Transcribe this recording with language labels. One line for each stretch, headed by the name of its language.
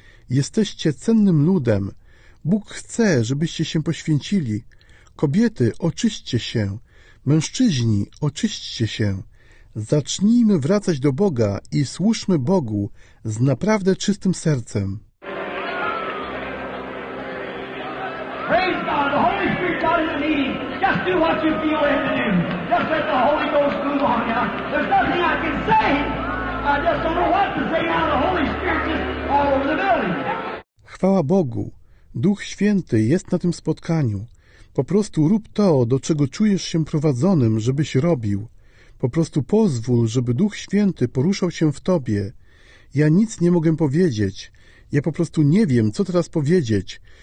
Polish: Jesteście cennym ludem. Bóg chce, żebyście się poświęcili. Kobiety, oczyśćcie się. Mężczyźni, oczyśćcie się. Zacznijmy wracać do Boga i służmy Bogu z naprawdę czystym sercem.
English: Praise God, the Holy Spirit got in the meeting. Just do what you feel led to do. Just let the Holy Ghost move on now. There's nothing I can say. I just don't know what to say now. The Holy Spirit is all over the building.
Polish: Chwała Bogu. Duch Święty jest na tym spotkaniu. Po prostu rób to, do czego czujesz się prowadzonym, żebyś robił. Po prostu pozwól, żeby Duch Święty poruszał się w Tobie. Ja nic nie mogę powiedzieć. Ja po prostu nie wiem, co teraz powiedzieć.